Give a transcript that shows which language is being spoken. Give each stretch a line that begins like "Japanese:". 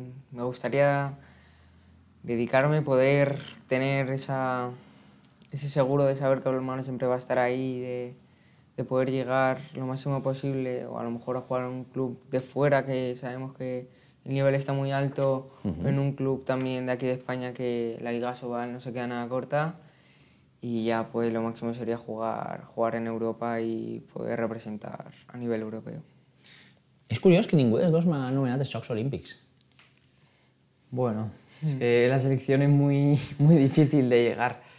Spanish: me gustaría dedicarme, poder tener ese seguro de saber que el balonmano siempre va a estar ahí, de poder llegar lo máximo posible, o a lo mejor a jugar en un club de fuera, que sabemos que el nivel está muy alto, en un club también de aquí de España, que la Liga Sobal no se queda nada corta, y ya pues lo máximo sería jugar en Europa y poder representar a nivel europeo.
Catalan: És curiós que ningú dels dos m'ha anomenat els Jocs Olímpics.
Spanish: Bueno, es que la selección es muy, muy difícil de llegar.